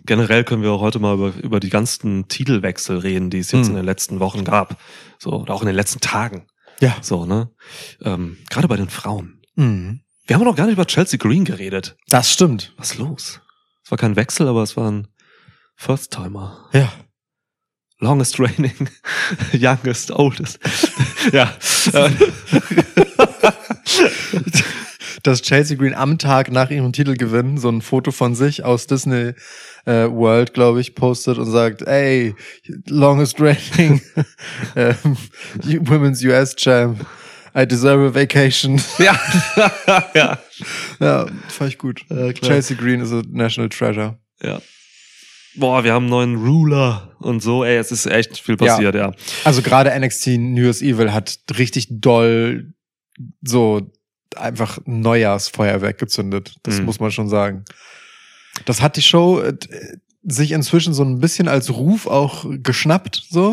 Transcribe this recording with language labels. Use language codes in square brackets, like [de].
[de] Generell können wir auch heute mal über die ganzen Titelwechsel reden, die es jetzt in den letzten Wochen gab. So, oder auch in den letzten Tagen. Ja. So, ne? Gerade bei den Frauen. Mhm. Wir haben noch gar nicht über Chelsea Green geredet. Das stimmt. Was ist los? Es war kein Wechsel, aber es war ein First-Timer. Ja. [en] Longest reigning, youngest, oldest. [de] Ja. Dass Chelsea Green am Tag nach ihrem Titelgewinn so ein Foto von sich aus Disney World, glaube ich, postet und sagt, ey, [en] longest reigning, [de] Women's US Champ. [en] I deserve a vacation. [de] Ja. Ja. Ja, fand ich gut. [en] Chelsea Green is a national treasure. [de] Ja. Boah, wir haben einen neuen Ruler und so. Ey, es ist echt viel passiert, ja. Also gerade NXT New Year's Evil hat richtig doll so einfach Neujahrsfeuerwerk gezündet. Das muss man schon sagen. Das hat die Show sich inzwischen so ein bisschen als Ruf auch geschnappt, so.